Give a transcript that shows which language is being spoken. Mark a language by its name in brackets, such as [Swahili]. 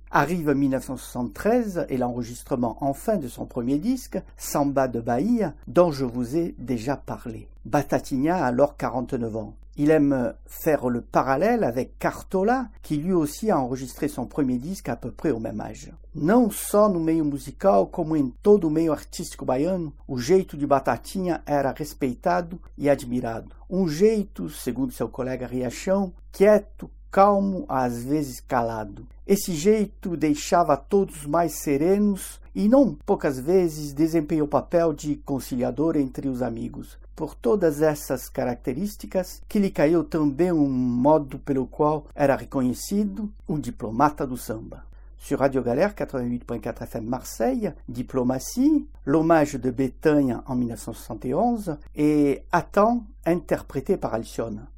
[French] Arrive 1973 et l'enregistrement enfin de son premier disque, « Samba de Bahia » dont je vous ai déjà parlé. Batatinha a alors 49 ans. Il aime faire le parallèle avec Cartola, qui lui aussi a enregistré son premier disque à peu près au même âge. [Portuguese] Não só no meio musical, como em todo o meio artístico baiano, o jeito de Batatinha era respeitado e admirado. Jeito, segundo seu colega Riachão, quieto, calmo, às vezes calado. Esse jeito deixava todos mais serenos e não poucas vezes desempenhou o papel de conciliador entre os amigos. Por todas essas características, que lhe caiu também modo pelo qual era reconhecido diplomata do samba. [French] Sur Radio Galère 88.4 FM Marseille, Diplomatie, l'hommage de Bethany en 1971 et Attends, interprété par Alcione.